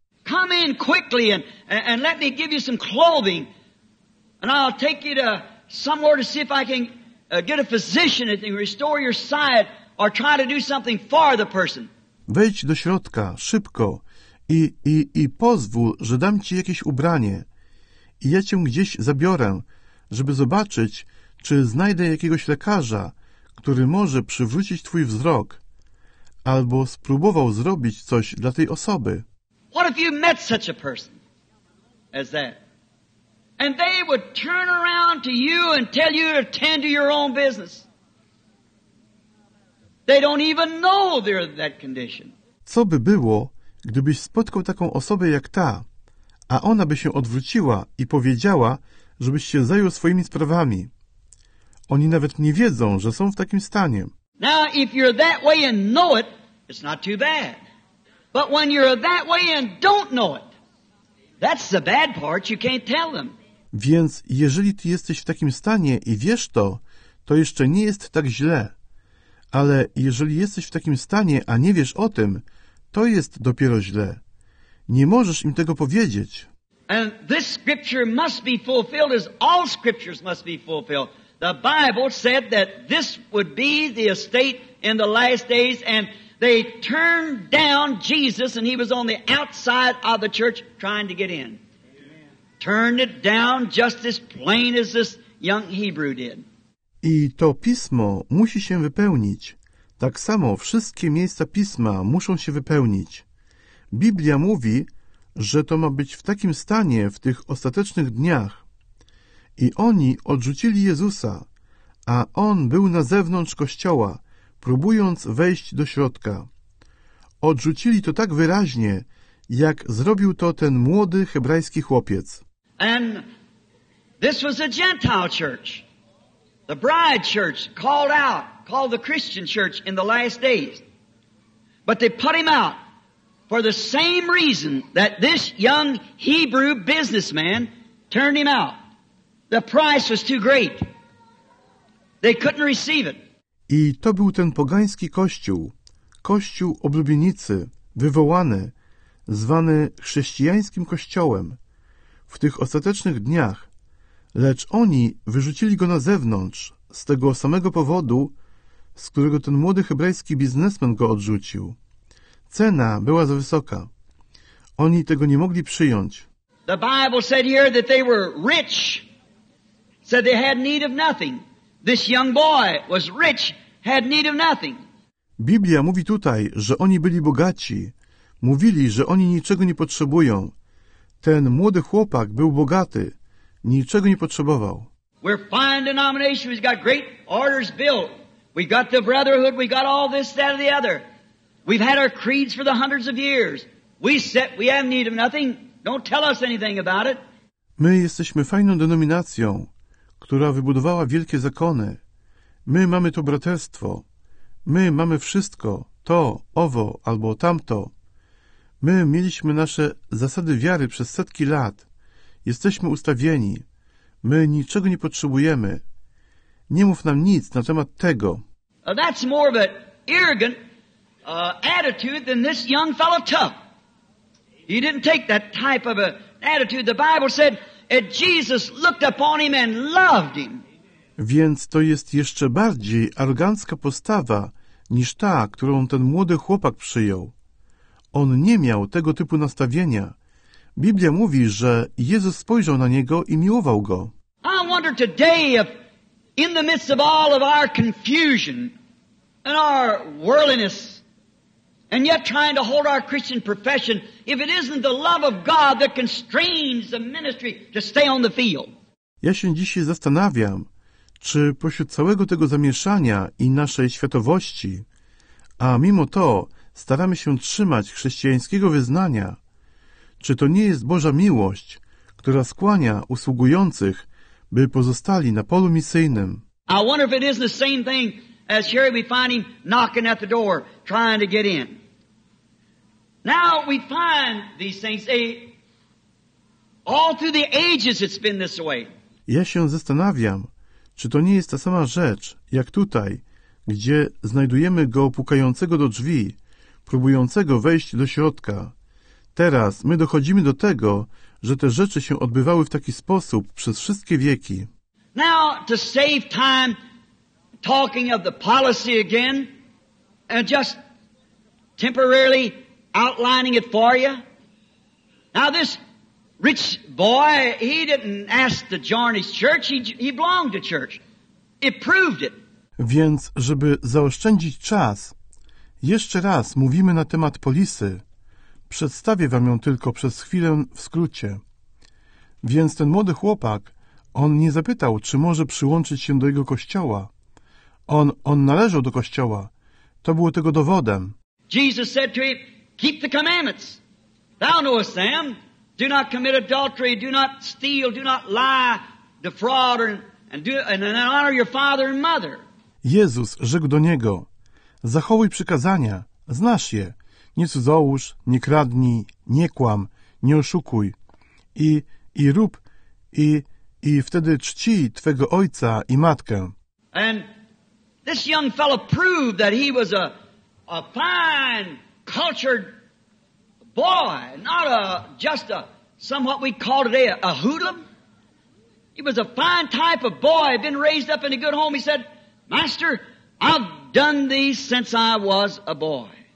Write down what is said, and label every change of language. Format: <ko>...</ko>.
<en>Come in quickly and let me give you some clothing and I'll take you to somewhere to see if I can get a physician and restore your sight or try to do something for the person.</en> <pl>Wejdź do środka, szybko i pozwól, że dam ci jakieś ubranie i ja cię gdzieś zabiorę, żeby zobaczyć, czy znajdę jakiegoś lekarza, który może przywrócić twój wzrok albo spróbował zrobić coś dla tej osoby.</pl> <en>What if you met such a person as that? And they would turn around to you and tell you to attend to your own business. They don't even know they're in that condition.</en> <pl>Co by było, gdybyś spotkał taką osobę jak ta, a ona by się odwróciła i powiedziała, żebyś się zajął swoimi sprawami. Oni nawet nie wiedzą, że są w takim stanie.</pl> <en>Now, if you're that way and know it, it's not too bad. But when you're that way and don't know it, that's the bad part, you can't tell them.</en> <pl>Więc jeżeli ty jesteś w takim stanie i wiesz to, to jeszcze nie jest tak źle. Ale jeżeli jesteś w takim stanie, a nie wiesz o tym, to jest dopiero źle. Nie możesz im tego powiedzieć.</pl> <en>And this scripture must be fulfilled as all scriptures must be fulfilled. The Bible said that this would be the estate in the last days and they turned down Jesus and he was on the outside of the church trying to get in. Amen. Turned it down just as plain as this young Hebrew did.</en> <pl>I to pismo musi się wypełnić. Tak samo wszystkie miejsca pisma muszą się wypełnić. Biblia mówi, że to ma być w takim stanie w tych ostatecznych dniach. I oni odrzucili Jezusa, a on był na zewnątrz kościoła, próbując wejść do środka. Odrzucili to tak wyraźnie, jak zrobił to ten młody hebrajski chłopiec.</pl> <en>And this was a Gentile church. The bride church called out, called the Christian church in the last days. But they put him out for the same reason that this young Hebrew businessman turned him out. The price was too great. They couldn't receive it.</en> <pl>I to był ten pogański kościół, kościół oblubienicy, wywołany, zwany chrześcijańskim kościołem w tych ostatecznych dniach, lecz oni wyrzucili go na zewnątrz z tego samego powodu, z którego ten młody hebrajski biznesmen go odrzucił. Cena była za wysoka. Oni tego nie mogli przyjąć.</pl> <en>The Bible said here that they were rich. Said they had need of nothing. This young boy was rich, had need of nothing.</en> <pl>Biblia mówi tutaj, że oni byli bogaci. Mówili, że oni niczego nie potrzebują. Ten młody chłopak był bogaty. Niczego nie potrzebował.</pl> <en>We're fine denomination. We've got great orders built. We've got the brotherhood. We've got all this, that, or the other. We've had our creeds for the hundreds of years. We have need of nothing. Don't tell us anything about it.</en> <pl>My jesteśmy fajną denominacją, która wybudowała wielkie zakony. My mamy to braterstwo. My mamy wszystko, to, owo, albo tamto. My mieliśmy nasze zasady wiary przez setki lat. Jesteśmy ustawieni. My niczego nie potrzebujemy. Nie mów nam nic na temat tego.</pl> <en>That's more of an arrogant attitude than this young fellow took. He didn't take that type of an attitude. The Bible said, and Jesus looked upon him and loved him.</en> <pl>Więc to jest jeszcze bardziej arogancka postawa niż ta, którą ten młody chłopak przyjął. On nie miał tego typu nastawienia. Biblia mówi, że Jezus spojrzał na niego i miłował go.</pl> <en>I wonder today if in the midst of all of our confusion and our worldliness and yet trying to hold our Christian profession, if it isn't the love of God that constrains the ministry to stay on the field.</en> <pl>Ja się dzisiaj zastanawiam, czy pośród całego tego zamieszania i naszej światowości, a mimo to staramy się trzymać chrześcijańskiego wyznania, czy to nie jest Boża miłość, która skłania usługujących, by pozostali na polu misyjnym?</pl> <en>I wonder if it isn't the same thing as here we find him knocking at the door, trying to get in. Now we find these things, all through the ages it's been this way.</en> <pl>Ja się zastanawiam, czy to nie jest ta sama rzecz, jak tutaj, gdzie znajdujemy go pukającego do drzwi, próbującego wejść do środka. Teraz my dochodzimy do tego, że te rzeczy się odbywały w taki sposób przez wszystkie wieki.</pl> <en>Now, to save time talking of the policy again and just temporarily outlining it for you. Now, this rich boy, he didn't ask to join his church, he belonged to church. It proved it.</en> <pl>Więc, żeby zaoszczędzić czas, jeszcze raz mówimy na temat polisy. Przedstawię wam ją tylko przez chwilę w skrócie. Więc ten młody chłopak, on nie zapytał, czy może przyłączyć się do jego kościoła. On należał do kościoła. To było tego dowodem.</pl> <en>Jesus said to him, keep the commandments. Thou knowest them. Do not commit adultery, do not steal, do not lie, defraud, and honor your father and mother.</en> <pl>Jezus rzekł do niego, zachowuj przykazania, znasz je. Nie cudzołóż, nie kradnij, nie kłam, nie oszukuj. I rób, i wtedy czci twego ojca i matkę.</pl> <en>And this young fellow proved that he was a fine, cultured boy, not just some what we call today a hoodlum. He was a fine type of boy, been raised up in a good home. He said, Master, I've done these since I was a boy.</en>